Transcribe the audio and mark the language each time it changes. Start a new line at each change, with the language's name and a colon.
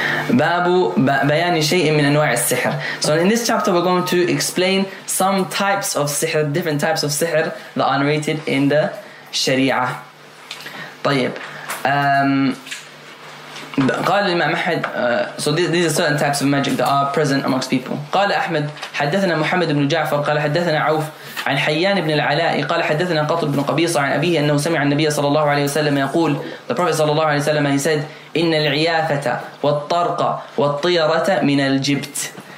Arabic: بابو بيان شيء من أنواع السحر.
English: So in this chapter we're going to explain some types of sihr, different types of sihr that are narrated in the Sharia.
Arabic: طيب قال الإمام أحمد.
English: So these are certain types of magic that are present amongst people.
Arabic: قال أحمد حدثنا محمد بن جعفر قال حدثنا عوف عن حيان بن العلاء قال حدثنا قطب بن قبيصة عن أبيه أنه سمع النبي صلى الله عليه وسلم يقول.
English: The Prophet صلى الله عليه وسلم, he said,
Arabic: إن العيافة والطرقة والطيرة من الجبت.